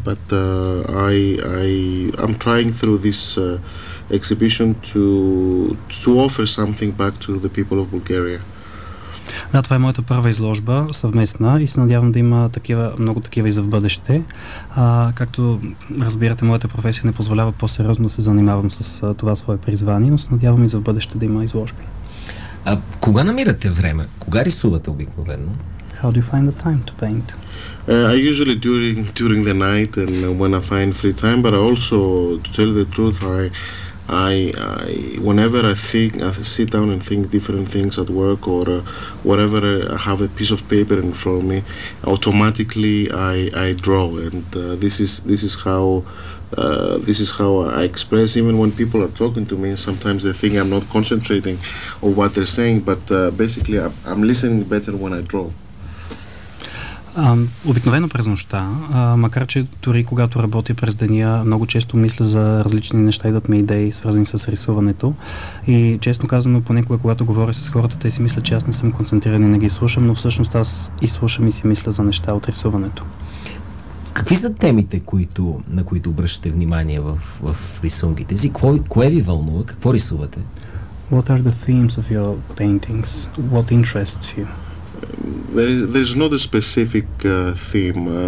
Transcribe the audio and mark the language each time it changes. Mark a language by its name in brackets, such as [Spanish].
[English] But I'm trying through this exhibition to offer something back to the people of Bulgaria. [Bulgarian] Да, това е моята първа изложба съвместна и се надявам да има такива, много такива и за в бъдеще. Както разбирате, моята професия не позволява по-сериозно да се занимавам с това свое призвание, но се надявам и за в бъдеще да има изложби. Кога намирате време? Кога рисувате обикновено? [English] How do you find the time to paint? I usually during the night and when I find free time, but I also, to tell the truth, I whenever I think, I sit down and think different things at work or whatever, I have a piece of paper in front of me, automatically I draw, and this is how I express. Even when people are talking to me, sometimes they think I'm not concentrating on what they're saying, but basically I'm listening better when I draw. [Bulgarian] Обикновено през нощта, макар че дори когато работя през деня, много често мисля за различни неща, идват ми идеи, свързани с рисуването. И честно казано, понекога, когато говоря с хората, те си мислят, че аз не съм концентриран и не ги слушам, но всъщност аз и слушам и си мисля за неща от рисуването. Какви са темите, на които обръщате внимание в рисунките си? Кое ви вълнува? Какво рисувате? [English] What are the themes of your paintings? What interests you? There's not a specific theme.